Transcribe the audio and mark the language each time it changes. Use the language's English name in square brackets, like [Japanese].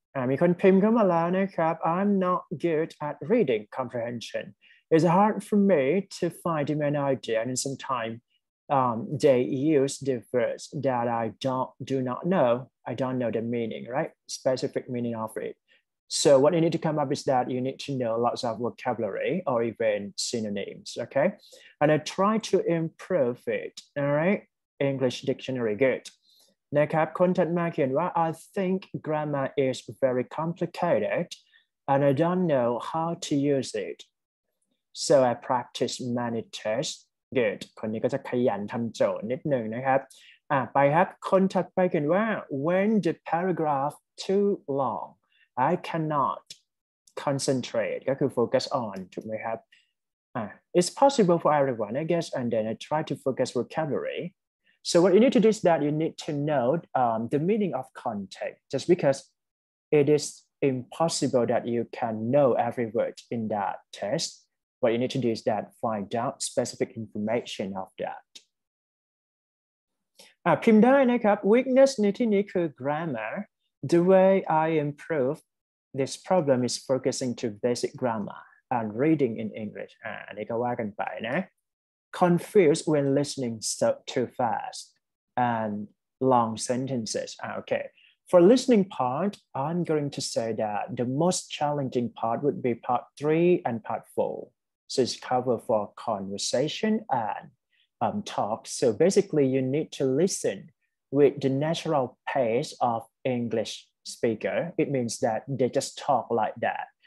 [Thai] มีคนพิมพ์เข้ามาแล้วนะครับ [English] I'm not good at reading comprehension It's hard for me to find the main idea and sometimes they use the words that I don't know the meaning right specific meaning of itSo what you need to come up is that you need to know lots of vocabulary or even synonyms, okay? And I try to improve it, all right? English dictionary, good. [Thai] นะครับ คนถัดมาเขียนว่า [English] I think grammar is very complicated and I don't know how to use it. So I practice many tests, good. [Thai] คนนี้ก็จะขยันทำโจทย์นิดหนึ่งนะครับ ไปครับ คนถัดไปเขียนว่า [English] When the paragraph too longI cannot concentrate. [Thai] ก็คือ [English] focus on, [Thai] ถูกไหมครับ [English] It's possible for everyone, I guess, and then I try to focus vocabulary. So what you need to do is that you need to know the meaning of context, just because it is impossible that you can know every word in that test. What you need to do is that find out specific information of that. [Thai] พิมพ์ได้นะครับ Weakness ในที่นี้คือ grammar. [English] The way I improve this problem is focusing to basic grammar and reading in English. [Thai] อันนี้ก็ว่ากันไปนะ [English] Confused when listening so too fast and long sentences. Okay. For listening part, I'm going to say that the most challenging part would be part 3 and part 4. So it's cover for conversation and talk. So basically, you need to listen with the natural pace ofEnglish speaker, it means that they just talk like that.